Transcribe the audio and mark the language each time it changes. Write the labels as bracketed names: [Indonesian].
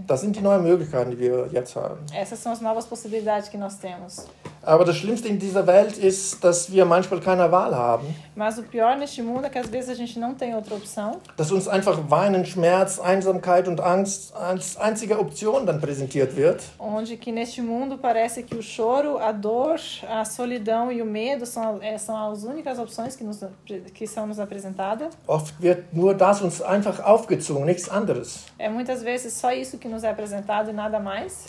[German] Das sind die neuen Möglichkeiten, die wir jetzt haben. [Portuguese] Essas são as novas possibilidades que nós temos. [German] Aber das Schlimmste in dieser Welt ist, dass wir manchmal keine Wahl haben. [Portuguese] Mas o pior neste mundo é que às vezes a gente não tem outra opção. [German] Dass uns einfach Weinen, Schmerz, Einsamkeit und Angst als einzige Option dann präsentiert wird. [Portuguese] Onde que neste mundo parece que o choro, a dor, a solidão e o medo são as únicas opções que são nos apresentadas. [German] Oft wird nur das uns einfach aufgezwungen, nichts anderes. [Portuguese] É muitas vezes só isso que nos é apresentado e nada mais.